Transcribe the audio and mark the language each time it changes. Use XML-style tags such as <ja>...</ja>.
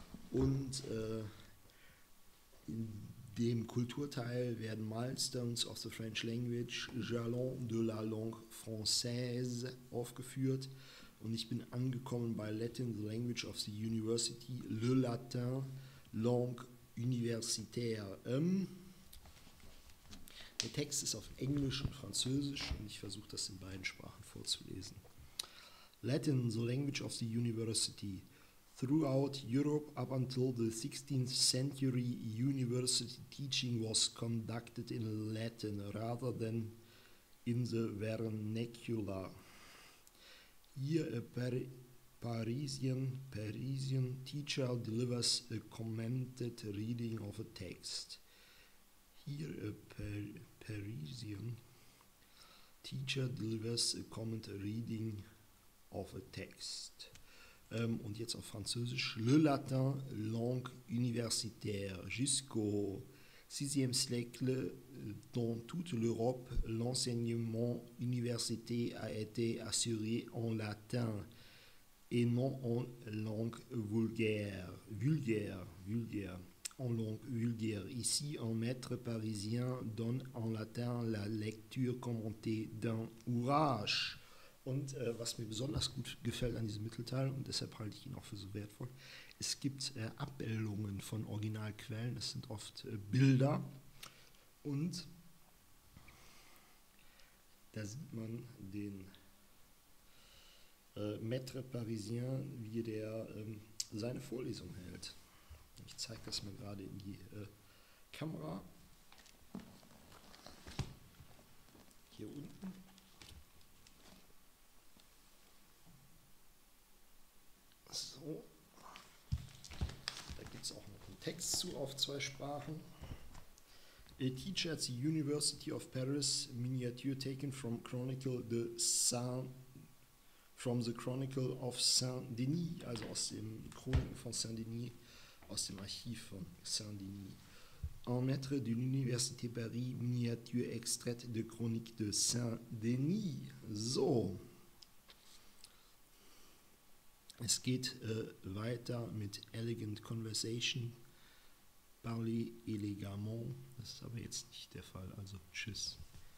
<de>Und in dem Kulturteil werden</de> <en>Milestones of the French Language,</en> <fr>Jalons de la Langue Française</fr> <de>aufgeführt. Und ich bin angekommen bei</de> <en>Latin, the Language of the University,</en> <fr>Le Latin, Langue Universitaire.</fr> <de>Der Text ist auf Englisch und Französisch und ich versuche das in beiden Sprachen vorzulesen.</de> <en>Latin, the language of the university. Throughout Europe up until the 16th century, university teaching was conducted in Latin rather than in the vernacular. Here a Parisian teacher delivers a commented reading of a text. Here a Parisian teacher delivers a comment reading of a text.</en> <de>Und jetzt auf Französisch.</de> <fr>Le latin, langue universitaire. Jusqu'au 6e siècle, dans toute l'Europe, l'enseignement universitaire a été assuré en latin et non en langue vulgaire. Vulgaire. En langue vulgaire. Ici, un maître parisien donne en latin la lecture commentée d'un ouvrage.</fr> <de>Und was mir besonders gut gefällt an diesem Mittelteil, und deshalb halte ich ihn auch für so wertvoll, es gibt Abbildungen von Originalquellen. Es sind oft Bilder. Und da sieht man den Maître Parisien, wie der seine Vorlesung hält. Ich zeige das mal gerade in die Kamera. Hier unten. So. Da gibt es auch noch einen Text zu auf zwei Sprachen.</de> <en>A teacher at the University of Paris, miniature taken from Chronicle de Saint, from the Chronicle of Saint-Denis,</en> <de>also aus dem Chroniken von Saint-Denis. Aus dem Archiv von Saint-Denis.</de> <fr>Un maître de l'Université Paris, miniature extraite de Chronique de Saint-Denis.</fr> <de>So. Es geht weiter mit</de> <en>Elegant Conversation.</en> <fr>Parlez élégamment.</fr> <de>Das ist aber jetzt nicht der Fall, also tschüss.</de>